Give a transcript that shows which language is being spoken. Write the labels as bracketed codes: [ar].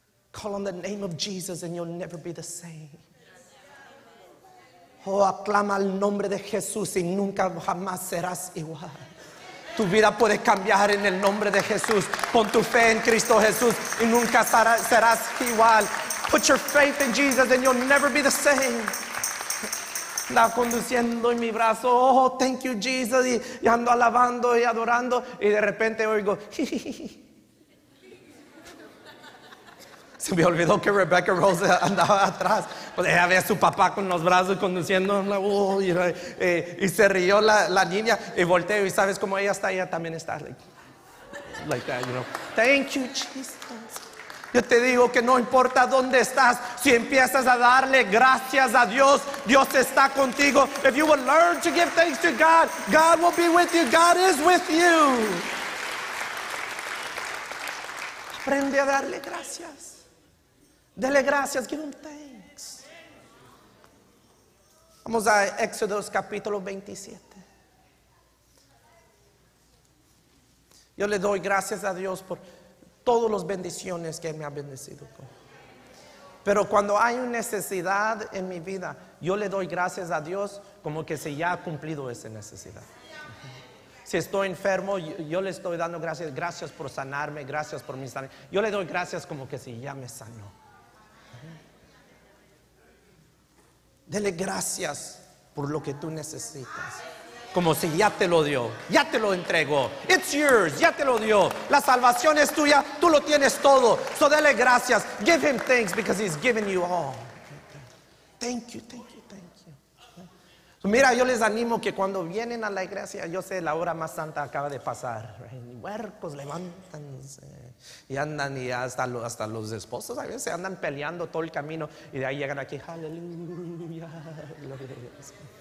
[en] Call on the name of Jesus and you'll never be the same. [es] Oh, aclama el nombre de Jesús y nunca jamás serás igual. Tu vida puede cambiar en el nombre de Jesús. Pon tu fe en Cristo Jesús y nunca serás igual. [en] Put your faith in Jesus and you'll never be the same. [es] Andaba conduciendo en mi brazo, oh, [en] thank you, Jesus. [es] Y ando alabando y adorando. Y de repente oigo, se me olvidó que Rebecca Rose andaba atrás. Pues ella ve a su papá con los brazos conduciendo. Y se rió la niña. Y volteo, y sabes cómo ella está, ella también está. [en] Like that, you know. Thank you, Jesus. [es] Yo te digo que no importa dónde estás, si empiezas a darle gracias a Dios, Dios está contigo. [en] If you will learn to give thanks to God, God will be with you. God is with you. [es] Aprende a darle gracias. Dele gracias. [en] Give him thanks. [es] Vamos a Éxodo capítulo 27. Yo le doy gracias a Dios por todas las bendiciones que me ha bendecido con. Pero cuando hay una necesidad en mi vida, yo le doy gracias a Dios como que se ya ha cumplido esa necesidad. Si estoy enfermo, yo le estoy dando gracias. Gracias por sanarme, gracias por mi sanidad. Yo le doy gracias como que si ya me sanó. Dele gracias por lo que tú necesitas. Como si ya te lo dio, ya te lo entregó. [en] It's yours, [es] ya te lo dio. La salvación es tuya, tú lo tienes todo. So dele gracias. [en] Give him thanks because he's given you all. Thank you, thank you, thank you. [es] So mira, yo les animo que cuando vienen a la iglesia, yo sé la hora más santa acaba de pasar. Huercos, levántanse. Y andan, y hasta los esposos a veces andan peleando todo el camino. Y de ahí llegan aquí, aleluya, gloria a Dios.